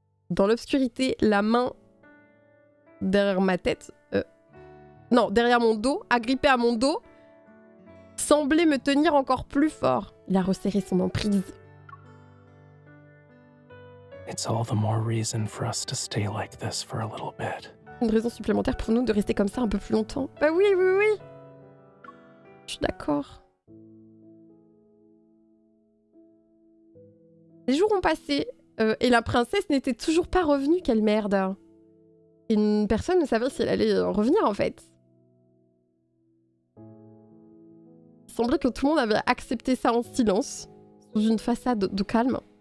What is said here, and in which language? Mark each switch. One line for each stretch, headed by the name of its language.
French: Dans l'obscurité, la main derrière ma tête, derrière mon dos, agrippée à mon dos, semblait me tenir encore plus fort. Il a resserré son emprise.
English: It's all the more reason for us to stay like this for a little bit.
French: Une raison supplémentaire pour nous de rester comme ça un peu plus longtemps. Bah oui, oui, oui. Je suis d'accord. Les jours ont passé et la princesse n'était toujours pas revenue. Quelle merde. Et personne ne savait si elle allait en revenir en fait. Il semblait que tout le monde avait accepté ça en silence, sous une façade de calme.